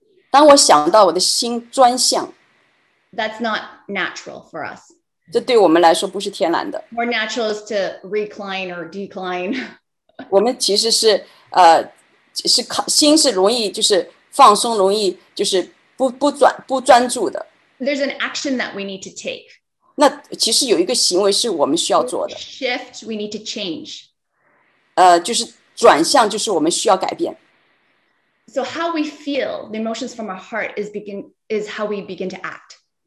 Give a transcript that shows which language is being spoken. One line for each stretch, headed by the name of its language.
Chinese: 当我想到我的心专向。
English: That's not natural for us.
Chinese: 这对我们来说不是天然的。
English: More natural is to recline or decline.
Chinese: 我们其实是心是容易就是放松，容易就是不专注的。
English: There's an action that we need to take.
Chinese: 那其实有一个行为是我们需要做的。
English: Shift, we need to change.
Chinese: 就是转向，就是我们需要改变。
English: So how we feel, the emotions from our heart is how we begin to act.